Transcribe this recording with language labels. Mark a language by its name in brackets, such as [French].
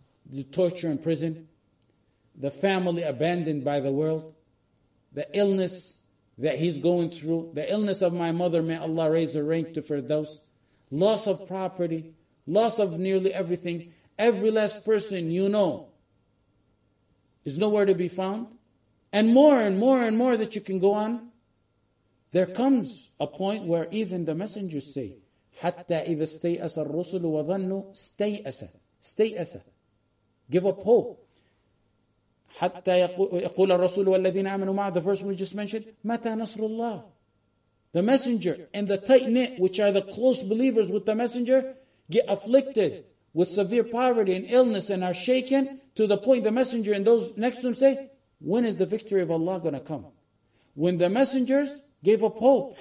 [English] The torture in prison, the family abandoned by the world, the illness that he's going through, the illness of my mother, may Allah raise her rank to Firdaus, loss of property, loss of nearly everything, every last person you know is nowhere to be found, and more and more and more that you can go on. There comes a point where even the messengers say, [Arabic] حَتَّى إِذَا اسْتَيْأَسَ الرُّسُلُ وَظَنُّوا اسْتَيْأَسَ اسْتَيْأَسَ. [English] Give up hope. [Arabic] حَتَّى يَقُولَ الرَّسُولُ وَالَّذِينَ آمَنُوا مَعَهُ. [English] The verse we just mentioned, [Arabic] مَتَى نَصْرُ اللَّهِ. [English] The messenger and the tight-knit, which are the close believers with the messenger, get afflicted with severe poverty and illness and are shaken to the point the messenger and those next to him say, when is the victory of Allah going to come? When the messengers gave up hope.